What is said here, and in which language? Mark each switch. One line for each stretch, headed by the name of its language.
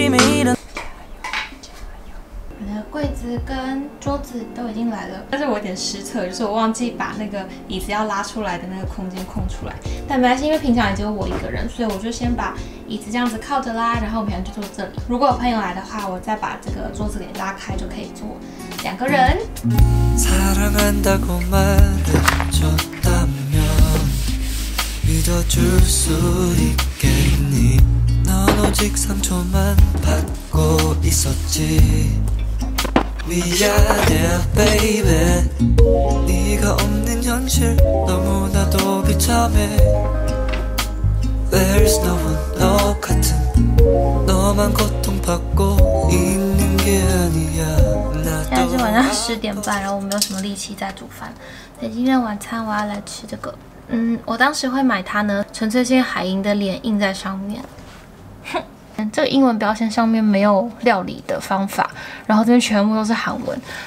Chinese: 我的柜子跟桌子都已经来了，但是我有点失策，就是我忘记把那个椅子要拉出来的那个空间空出来。但没关系，因为平常也只有我一个人，所以我就先把椅子这样子靠着拉，然后我平常就坐这里。如果有朋友来的话，我再把这个桌子给拉开，就可以坐两个人。
Korean: 사랑한다고말해줬다면믿어줄수있겠니넌오직상처만받고있었지
English: We are there baby
Korean: 네가없는현실너무나도비참해
English: There's no one
Korean: 너같은너만고통받고있는게아니야
Chinese: 现在是晚上10:30，然后我没有什么力气在煮饭，所以今天晚餐我要来吃这个。我当时会买它呢，纯粹是因为海盈的脸印在上面。哼，这个英文标签上面没有料理的方法，然后这边全部都是韩文。